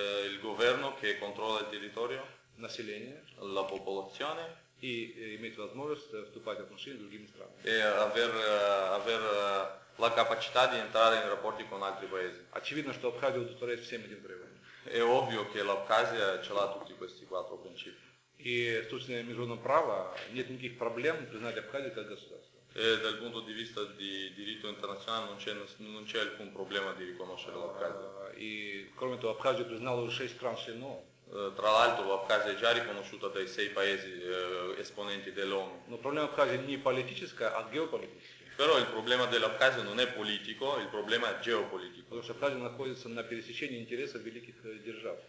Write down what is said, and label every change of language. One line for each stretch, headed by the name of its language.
Italian: Il governo che controlla il territorio.
Russian: Население.
Italian: La popolazione.
Russian: И иметь возможность вступать в отношения с другими странами.
Italian: E aver la capacità di entrare in rapporti con altri paesi.
Russian: Очевидно, что Абхазия удовлетворяет всем этим требованиям.
Italian: È ovvio che l'Abkhazia ce l'ha tutti questi quattro principi.
Russian: И с точки зрения международного права нет никаких проблем признать Абхазию как государство.
Italian: E dal punto di vista di diritto internazionale non c'è alcun problema di riconoscere l'Abkhazia. E come tu
Russian: l'Abkhazia признала уже 6 стран сено.
Italian: Tra l'altro l'Abkhazia è già riconosciuta dai 6 paesi esponenti dell'ONU.
Russian: Но проблема Абхазии не политическая, а геополитическая.
Italian: Però il problema dell'Abkhazia non è politico, il problema è geopolitico. Perché
Russian: l'Abkhazia находится на пересечении интересов великих держав.